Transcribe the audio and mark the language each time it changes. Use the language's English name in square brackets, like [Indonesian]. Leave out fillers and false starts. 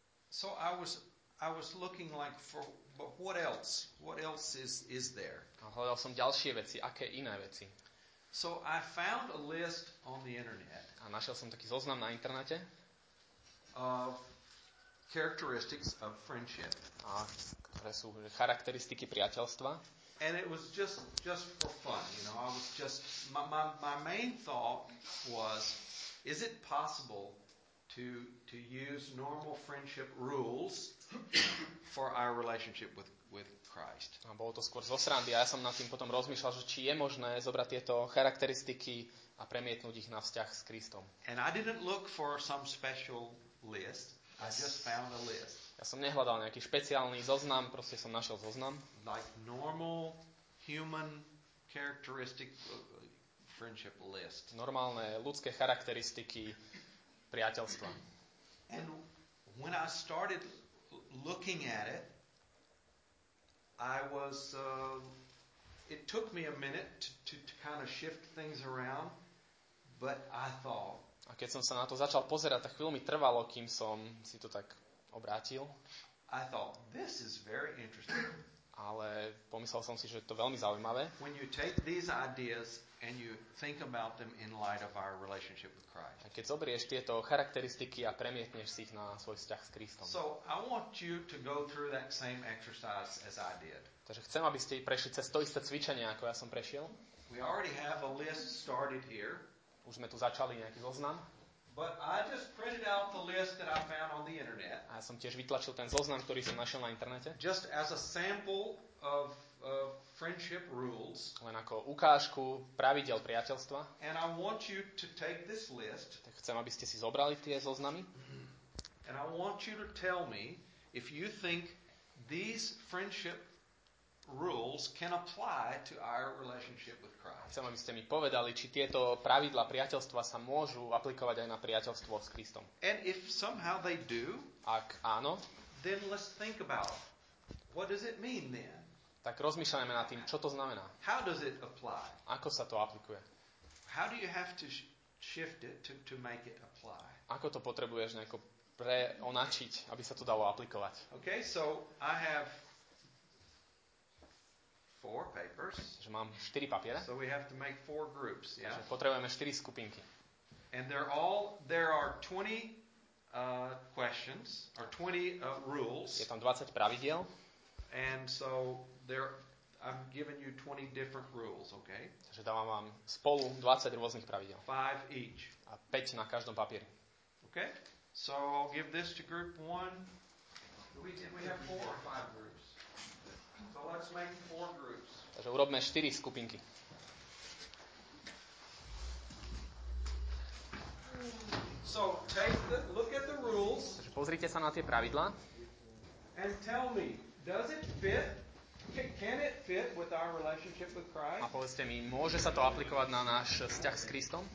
[English] So I was looking like for but what else? What else is there? [Slovak] A hľadal som ďalšie veci, aké iné veci. [English] So I found a list on the internet. [Slovak] A našiel som taký zoznam na internete. [English] Characteristics of friendship. [Slovak] A ktoré sú charakteristiky priateľstva. [English] And it was just for fun, you know. I was just my main thought was, is it possible to use normal friendship rules for our relationship with Christ? [Slovak] A bolo to skôr zo srandy. A ja som nad tým potom rozmýšľal, že či je možné zobrať tieto charakteristiky a premietnúť ich na vzťah s Kristom. [English] And I didn't look for some special list. I just found a list. [Slovak] Ja som nehľadal nejaký špeciálny zoznam, proste som našiel zoznam. [English] Like normal human characteristic friendship list. [Slovak] Normálne ľudské charakteristiky priateľstva. [English] And when I started looking at it, I was it took me a minute to kind of shift things around, but I thought. [Slovak] A keď som sa na to začal pozerať, tak chvíľu mi trvalo, kým som si to tak obrátil. [English] I thought this is very interesting. [Slovak] Ale pomyslel som si, že je to veľmi zaujímavé. [English] When you take these ideas and you think about them in light of our relationship with Christ. [Slovak] A keď zoberieš tieto charakteristiky a premietneš si ich na svoj vzťah s Kristom. [English] So I want you to go through that same exercise as I did. [Slovak] Takže chcem, aby ste prešli cez to isté cvičenie, ako ja som prešiel. [English] We already have a list started here. [Slovak] Už sme tu začali nejaký zoznam. [English] But I just printed out the list that I found on the internet. [Slovak] A som tiež vytlačil ten zoznam, ktorý som našiel na internete. [English] Just as a sample of friendship rules. [Slovak] Len ako ukážku pravidel priateľstva. [English] And I want you to take this list. [Slovak] Tak chcem, aby ste si zobrali tie zoznamy. [English] And I want you to tell me if you think these friendship rules can apply to our relationship with Christ. [Slovak] Chcem, aby ste mi povedali, či tieto pravidlá priateľstva sa môžu aplikovať aj na priateľstvo s Kristom. [English] And if somehow they do, [Slovak] ak áno, [English] then let's think about what does it mean then? [Slovak] Tak rozmýšľajme nad tým, čo to znamená. [English] How does it apply? [Slovak] Ako sa to aplikuje? [English] How do you have to shift it to make it apply? [Slovak] Ako to potrebuješ nejako preonačiť, aby sa to dalo aplikovať? [English] Okay, so I have 4 papers. [Slovak] Že mám 4 papiere. [English] So we have to make 4 groups, yeah. [Slovak] Takže potrebujeme 4 skupinky. [English] And there are 20 questions or 20 rules. [Slovak] Je tam 20 pravidiel. [English] And so I'm giving you 20 different rules, okay? [Slovak] Takže dávam vám spolu 20 rôznych pravidiel. [English] 5 each. [Slovak] A 5 na každom papieri. [English] Okay? So I'll give this to group 1. We have 4 or 5 groups. So let's make 4 groups. [Slovak] Takže urobme 4 skupinky. [English] So look at the rules. [Slovak] Takže pozrite sa na tie pravidlá. [English] And tell me, does it fit? Can it fit with our relationship with Christ? [Slovak] A povedzte mi, môže sa to aplikovať na náš vzťah s Kristom?